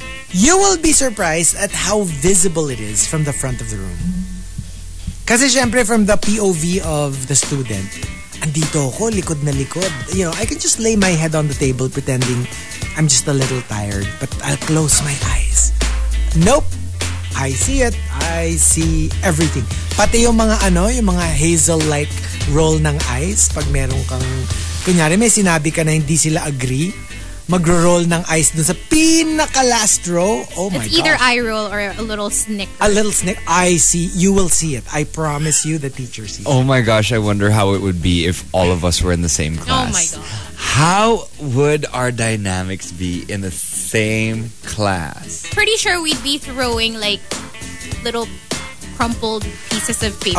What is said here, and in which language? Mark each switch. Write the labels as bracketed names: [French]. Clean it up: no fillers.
[English] You will be surprised at how visible it is from the front of the room. [Filipino] Kasi syempre [English] from the POV of the student, [Filipino] andito ako, likod na likod. [English] You know, I can just lay my head on the table pretending I'm just a little tired, but I'll close my eyes. Nope. I see it. I see everything. [Filipino] Pati yung mga ano, yung mga hazel-like roll ng eyes pag meron kang, kunyari may sinabi ka na hindi sila agree, mag-roll ng eyes dun sa pinaka-last row. [English] Oh my God. It's either eye roll or a little snick. A little snick. I see. You will see it. I promise you the teacher sees it. Oh my gosh. I wonder how it would be if all of us were in the same class. Oh my God. How would our dynamics be in the same class? Pretty sure we'd be throwing like little crumpled pieces of paper.